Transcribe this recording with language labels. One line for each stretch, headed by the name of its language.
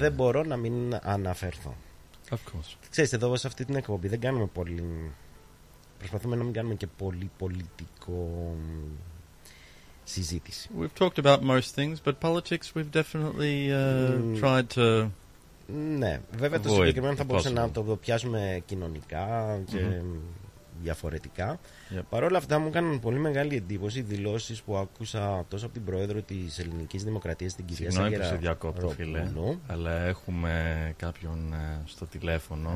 Greek: Δεν μπορώ να μην αναφερθώ.
English: Of course.
Greek: Ξέρεις, εδώ σε αυτή την εκπομπή δεν κάνουμε πολύ... Προσπαθούμε να μην κάνουμε και πολύ πολιτικό... συζήτηση.
English: We've talked about most things, but politics we've definitely tried to.
Greek: Ναι, βέβαια το συγκεκριμένο θα μπορούσε να το πιάσουμε κοινωνικά και διαφορετικά. Παρ' όλα αυτά μου έκαναν πολύ μεγάλη εντύπωση οι δηλώσεις που άκουσα τόσο από την πρόεδρο της Ελληνικής Δημοκρατίας, την κυρία Σαγερά. Συγγνώμη που σε διακόπτω, φίλε, αλλά έχουμε κάποιον στο τηλέφωνο.